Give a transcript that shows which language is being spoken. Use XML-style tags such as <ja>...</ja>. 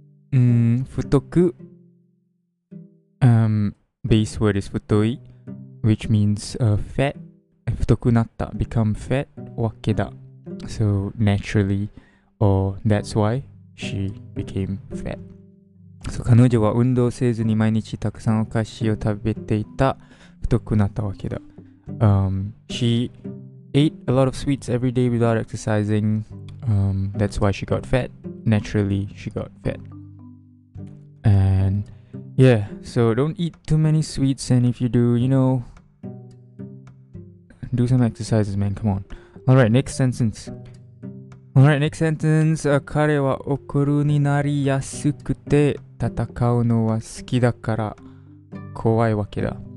<en>太く, base word is 太い, which means fat.</en> <ja>太くなった,</ja> <en>become fat,</en> <ja>わけだ.</ja> <en>So naturally, or that's why she became fat.</en> <ja>So 彼女は運動せずに毎日たくさんお菓子を食べていた. 太くなったわけだ.</ja> <en>She ate a lot of sweets every day without exercising. That's why she got fat. Naturally, she got fat. And yeah, so don't eat too many sweets, and if you do, you know, do some exercises, man. Come on. Alright, next sentence. Alright, next sentence.</en> <ja>彼は怒るになりやすくて戦うのは好きだから怖いわけだ.</ja>